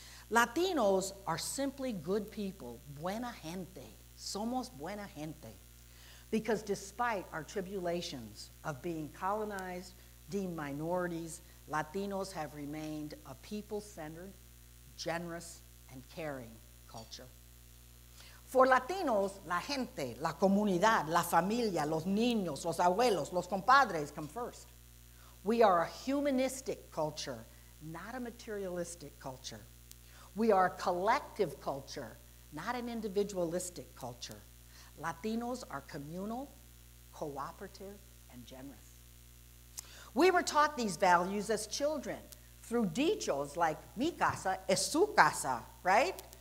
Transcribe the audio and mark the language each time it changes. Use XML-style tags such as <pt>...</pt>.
<en>Latinos are simply good people,</en> <es>buena gente, somos buena gente,</es> <en>because despite our tribulations of being colonized, deemed minorities, Latinos have remained a people-centered, generous, and caring culture. For Latinos,</en> <es>la gente, la comunidad, la familia, los niños, los abuelos, los compadres</es> <en>come first. We are a humanistic culture, not a materialistic culture. We are a collective culture, not an individualistic culture. Latinos are communal, cooperative, and generous. We were taught these values as children through dichos like</en> <es>mi casa es su casa,</es> <en>right?</en>